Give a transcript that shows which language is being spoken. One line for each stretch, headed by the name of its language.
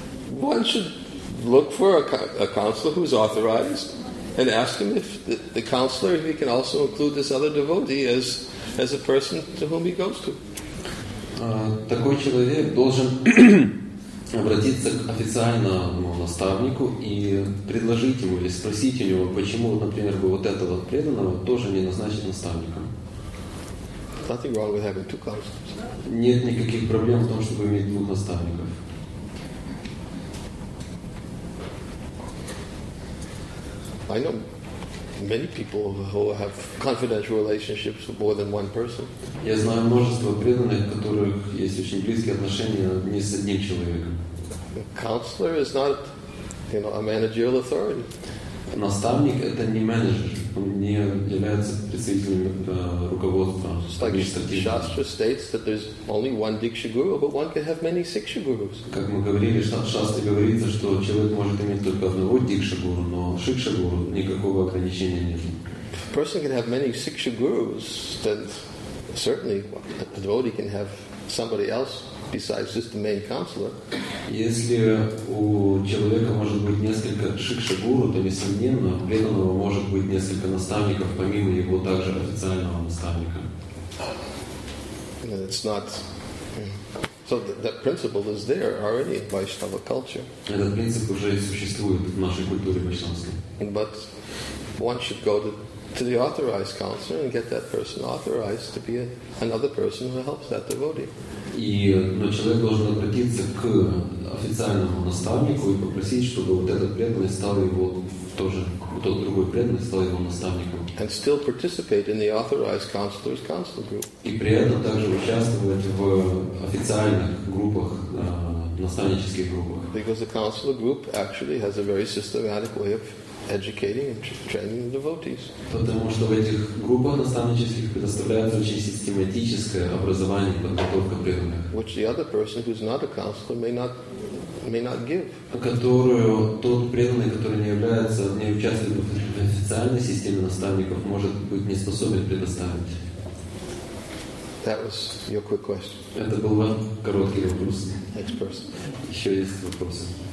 English: One should look for a counselor who's authorized and ask him if the counselor, if he can also include this other devotee as a person to whom he goes to.
Russian: Такой человек должен обратиться к официальному наставнику и предложить ему или спросить у него, почему, например, бы вот этого преданного тоже не назначить наставником.
English: Nothing wrong with having two counselors.
Russian: Нет никаких проблем в том, чтобы иметь двух наставников.
English: I know many people who have confidential relationships with more than one person.
Russian: Я знаю множество преданных, у которых есть очень близкие отношения не с одним человеком.
English: A counselor is not, you know, a managerial authority.
Russian: Наставник – это не менеджер, он не является представителем руководства.
English: Shastra states that there's only one Diksha Guru, but one can have many Siksha Gurus.
Russian: Как мы говорили, Шастре говорится, что человек может иметь только одного Дикша Гуру, но Шикша Гуру никакого ограничения нет.
English: If a person can have many Siksha Gurus, then certainly a devotee can have somebody else besides just the main counselor.
Russian: Если у человека может быть несколько шикшагуру, то несомненно, у преданного может быть несколько наставников, помимо его также официального наставника.
English: It's not... So that principle is there already in Vaishnava culture.
Russian: Этот принцип уже существует в нашей культуре вайшнавской.
English: But one should go to the authorized counselor and get that person authorized to be another person who helps that devotee.
Russian: Но человек должен обратиться к официальному наставнику и попросить, чтобы вот этот преданный стал его тоже, тот другой преданный стал его наставником.
English: And still participate in the authorized counselor's counselor group.
Russian: И при этом также участвовать в официальных группах, наставнических группах.
English: Because the counselor group actually has a very systematic way of educating and training the devotees.
Russian: Потому что в этих группах наставнических предоставляется очень систематическое образование, подготовка преданных.
English: Which the other person who's not a counselor may not give.
Russian: Которую тот преданный, который не является, не участвует в официальной системе наставников, может быть не способен предоставить.
English: That was your quick question.
Russian: Это был ваш короткий вопрос.
English: Next person.
Russian: Еще есть вопросы?